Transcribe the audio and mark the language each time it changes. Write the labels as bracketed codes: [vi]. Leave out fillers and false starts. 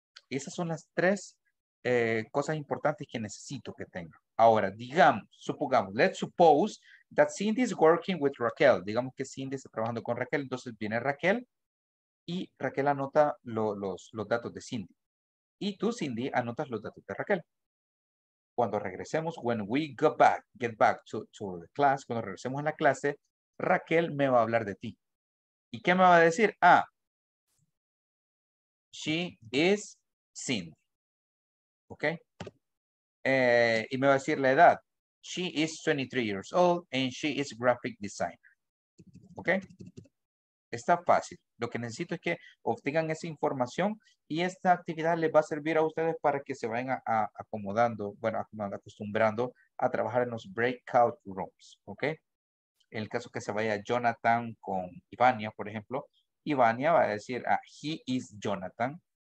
[es] Esas son las 3 cosas importantes que necesito que tenga. Ahora, [en] let's suppose that Cindy is working with Raquel. [es] Digamos que Cindy está trabajando con Raquel, entonces viene Raquel. Y Raquel anota los datos de Cindy. Y tú, Cindy, anotas los datos de Raquel. Cuando regresemos, [en] when we go back, get back to the class, [es] cuando regresemos a la clase, Raquel me va a hablar de ti. ¿Y qué me va a decir? [en] She is Cindy. [es] Okay. Y me va a decir la edad. [en] She is 23 years old and she is a graphic designer. [es] Okay. Está fácil. Lo que necesito es que obtengan esa información y esta actividad les va a servir a ustedes para que se vayan a acomodando, bueno, acostumbrando a trabajar en los breakout rooms. Ok. En el caso que se vaya Jonathan con Ivania, por ejemplo, Ivania va a decir, [en] he is Jonathan.